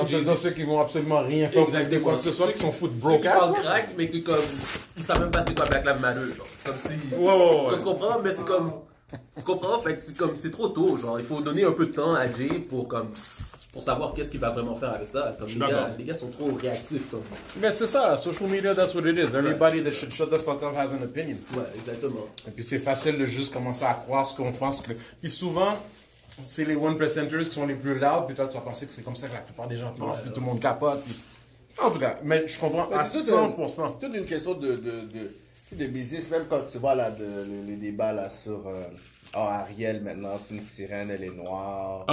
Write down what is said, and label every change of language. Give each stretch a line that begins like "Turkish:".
French: En disant ceux qui vont absolument rien faire exactement, ou quoi que ce soit, qui sont foot broadcast. Ceux qui parlent crack, mais qui comme... Ils savent même pas c'est quoi Black Lives Matter, genre. Comme si... Tu comprends, mais c'est comme... Tu comprends, en fait, c'est trop tôt, genre, il faut donner un peu de temps à Jay pour, comme, pour savoir qu'est-ce qu'il va vraiment faire avec ça, comme, les gars sont trop réactifs, comme. Mais c'est ça,
English: social media, that's what it is, everybody that should shut the fuck up has an opinion.
French: Ouais, exactement. Et puis c'est facile de juste commencer à croire ce qu'on pense que, puis souvent, c'est les one percenters qui sont les plus loud, puis toi, tu vas penser que c'est comme ça que la plupart des gens pensent, puis tout le monde capote, puis, en tout cas, mais je comprends mais à 100%. C'est toute une question de business, même quand tu vois là, les débats là, sur Ariel maintenant, c'est une sirène, elle est noire.